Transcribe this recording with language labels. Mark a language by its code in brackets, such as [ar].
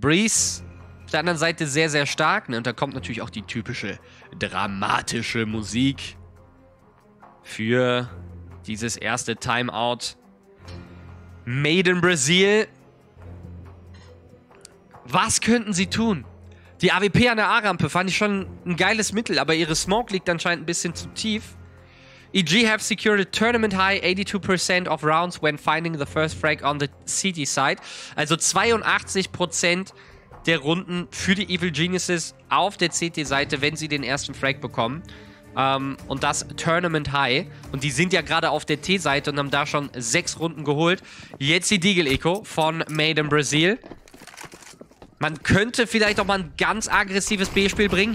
[de] Breeze auf der anderen Seite sehr, sehr stark. Und da kommt natürlich auch die typische dramatische Musik für dieses erste Timeout. [en] Made in Brazil. [de] Was könnten sie tun? Die AWP an der A-Rampe fand ich schon ein geiles Mittel, aber ihre Smoke liegt anscheinend ein bisschen zu tief. [en] EG have secured a tournament high 82% of rounds when finding the first frag on the CT side. [de] Also 82% der Runden für die Evil Geniuses auf der CT-Seite, wenn sie den ersten Frag bekommen. Und das Tournament High. Und die sind ja gerade auf der T-Seite und haben da schon 6 Runden geholt. Jetzt die Deagle Echo von Made in Brazil. Man könnte vielleicht auch mal ein ganz aggressives B-Spiel bringen.